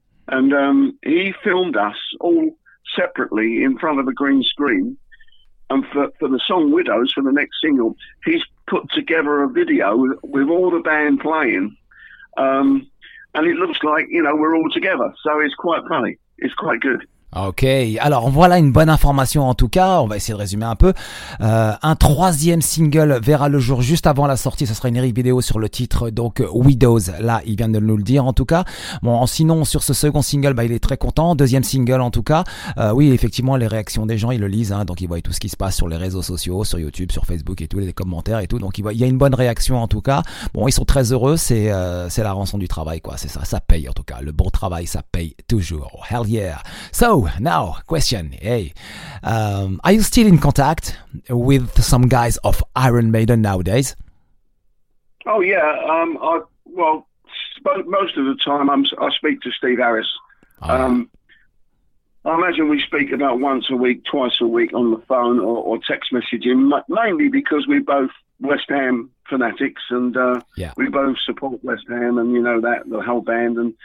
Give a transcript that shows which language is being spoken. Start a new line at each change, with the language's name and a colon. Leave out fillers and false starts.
English: And he filmed us all separately in front of a green screen. And for the song Widows, for the next single, he's put together a video with all the band playing. And it looks like, you know, we're all together. So it's quite funny. It's quite good.
French: Ok, alors voilà une bonne information en tout cas, on va essayer de résumer un peu. Un troisième single verra le jour juste avant la sortie, ce sera une lyric vidéo sur le titre, donc Widows, là il vient de nous le dire en tout cas. Bon, sinon sur ce second single, bah, il est très content, deuxième single en tout cas. Oui, effectivement les réactions des gens, ils le lisent, hein, donc ils voient tout ce qui se passe sur les réseaux sociaux, sur YouTube, sur Facebook et tout, les commentaires et tout. Donc il y a une bonne réaction en tout cas. Bon, ils sont très heureux, c'est la rançon du travail quoi, c'est ça, ça paye en tout cas, le bon travail ça paye toujours.
English: Hell yeah. So, now, question. Hey, are you still in contact with some guys of Iron Maiden nowadays? Oh, yeah. Most of the time I speak to Steve Harris. I imagine we speak about once a week, twice a week on the phone or text messaging, mainly because we're both West Ham fanatics and we both support West Ham and, you know, that the whole band.